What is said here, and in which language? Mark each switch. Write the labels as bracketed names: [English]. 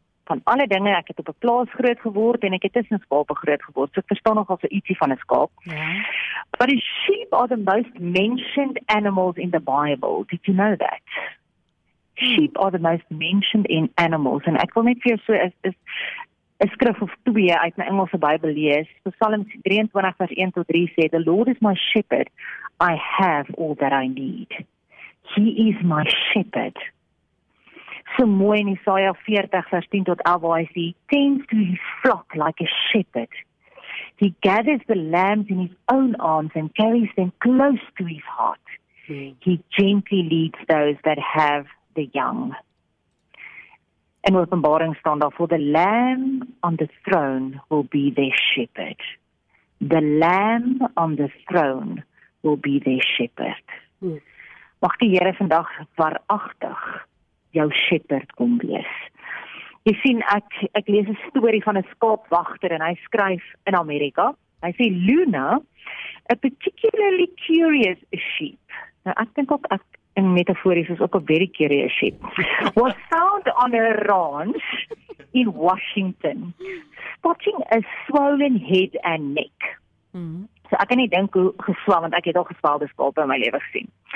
[Afrikaans] Van alle dinge, ek het op 'n plaas groot geword en ek het tussen skape groot geword, so ek verstaan nogal so ietsie van 'n skaap. [English] Yeah. But the sheep are the most mentioned animals in the Bible. Did you know that? Sheep are the most mentioned in animals. [Afrikaans] En ek wil net vir jou so een skrif of twee uit my Engelse Bybel lees. So Psalm 23 vers 1 tot 3 sê, [English] the Lord is my shepherd, I have all that I need. He is my shepherd. [Afrikaans] So mooi in Isaiah 40 vers 10 tot 11, waar hy sê, [English] he tends to his flock like a shepherd. He gathers the lambs in his own arms and carries them close to his heart. He gently leads those that have the young. [Afrikaans] In Openbaring staan daar, [English] for the lamb on the throne will be their shepherd. The lamb on the throne will be their shepherd. [Afrikaans] Mag die Here vandag waaragtig jou shepherd kom wees. Jy sien, ek lees 'n storie van 'n skaapwagter en hy skryf in Amerika. Hy sê, [English] Luna, a particularly curious sheep. [Afrikaans] Nou, ek dink ook, ek in metaphories is ook [English] a very curious sheep, was found on a ranch in Washington, spotting a swollen head and neck. [Afrikaans] So ek kan nie dink hoe geswel, want ek het al geswelde skape in my lewe gesien.